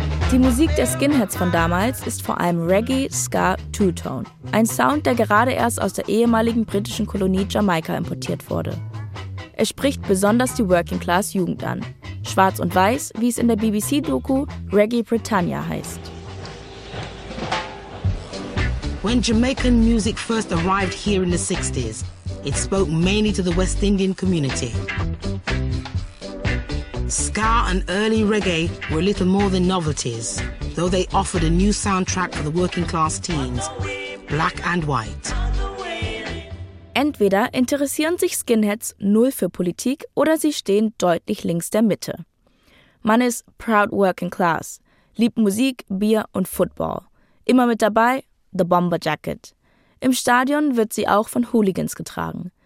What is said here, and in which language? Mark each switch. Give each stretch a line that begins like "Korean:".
German: Die Musik der Skinheads von damals ist vor allem Reggae, Ska, Two-Tone. Ein Sound, der gerade erst aus der ehemaligen britischen Kolonie Jamaika importiert wurde. Er spricht besonders die Working-Class-Jugend an. Schwarz und weiß, wie es in der BBC-Doku Reggae Britannia heißt.
English: When Jamaican music first arrived here in the 60s, it spoke mainly to the West Indian community. Ska and early reggae were a little more than novelties, though they offered a new soundtrack for the working class teens, black and white.
German: Entweder interessieren sich Skinheads null für Politik oder sie stehen deutlich links der Mitte. Man ist
English: proud working class,
German: liebt Musik, Bier und Football. Immer mit dabei,
English: the bomber jacket.
German: Im Stadion wird sie auch von Hooligans getragen.